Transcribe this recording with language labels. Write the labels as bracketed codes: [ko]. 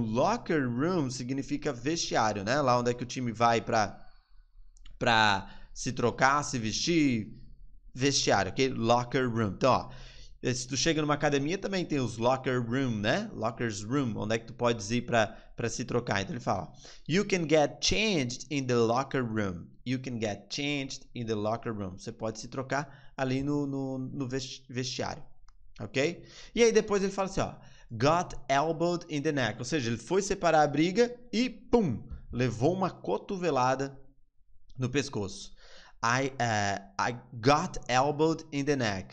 [pt] Então, locker room significa vestiário, né? Lá onde é que o time vai pra se trocar, se vestir. Vestiário, ok? Locker room. Então, ó, se tu chega numa academia, também tem os locker room, né? Locker's room, onde é que tu podes ir pra se trocar. Então, ele fala, [en] you can get changed in the locker room. You can get changed in the locker room. [pt] Você pode se trocar ali no vestiário, ok? E aí, depois ele fala assim, ó, [en] got elbowed in the neck. [pt] Ou seja, ele foi separar a briga e, pum, levou uma cotovelada no pescoço. [en] I got elbowed in the neck.